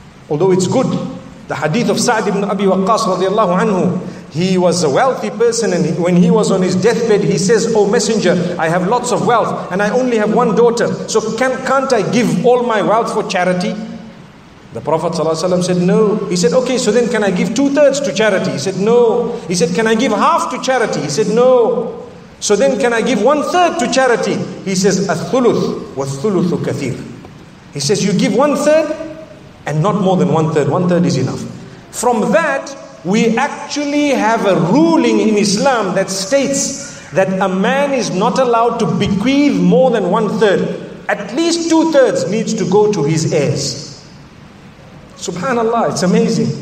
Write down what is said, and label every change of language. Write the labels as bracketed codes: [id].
[en] Although it's good, the hadith of Sa'd ibn Abi Waqqas radiallahu anhu, he was a wealthy person, and when he was on his deathbed, he says, "Oh messenger, I have lots of wealth and I only have one daughter. So can't I give all my wealth for charity?" The Prophet ﷺ said, no. He said, okay, so then can I give 2/3 to charity? He said, no. He said, can I give half to charity? He said, no. So then can I give one third to charity? He says, [ar] الثلث والثلث كثير. [en] He says, you give one third and not more than one third. One third is enough. From that, we actually have a ruling in Islam that states that a man is not allowed to bequeath more than one third. At least two thirds needs to go to his heirs. Subhanallah, it's amazing.